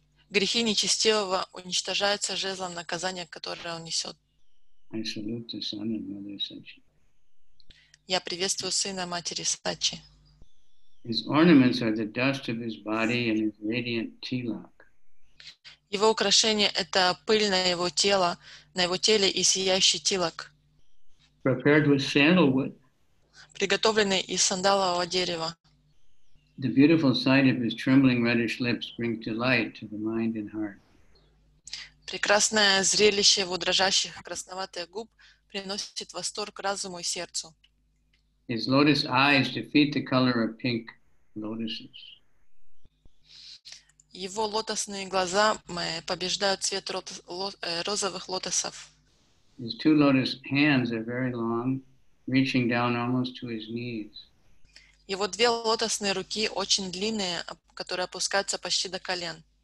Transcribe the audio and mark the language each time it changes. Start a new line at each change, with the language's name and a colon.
Russian: Грехи нечестивого уничтожаются жезлом наказания, которое он несет.
English: I salute the son and mother Sachi.
Russian: Я приветствую сына матери Сачи.
English: His ornaments are the dust of his body and his radiant tilak.
Russian: Его украшение — это пыль на его тело, на его теле и сияющий тилак.
English: Prepared with sandalwood.
Russian: Приготовленный из сандалового дерева.
English: The beautiful sight of his trembling reddish lips brings delight to the mind and heart.
Russian: Прекрасное зрелище его дрожащих красноватых губ приносит восторг разуму и сердцу.
English: His lotus eyes defeat the color of pink lotuses.
Russian: Его лотосные глаза побеждают цвет розовых лотосов.
English: His two lotus hands are very long, reaching down almost to his knees.
Russian: Его две лотосные руки очень длинные, которые опускаются почти до колен.